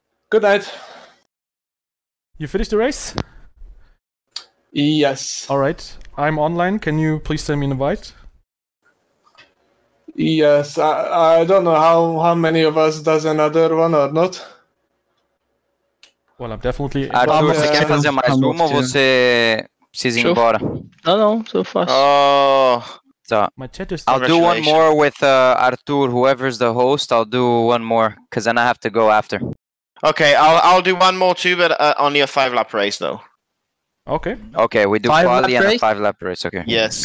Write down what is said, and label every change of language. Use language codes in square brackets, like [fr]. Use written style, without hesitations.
[en] Good night. You finished the race? Yes. Alright. I'm online. Can you please send me an invite? Yes. I don't know how many of us does another one or not. Well, I'm definitely... [pt] Arthur, você quer fazer mais uma ou você... precisa ir embora. Não, sou fácil. Tá. [en] My chat is... I'll do one more with Arthur, whoever's the host. I'll do one more, because then I have to go after. Okay, I'll do one more too, but only a 5-lap race, though. Okay. Okay, we do quali and a 5-lap race, okay. Yes.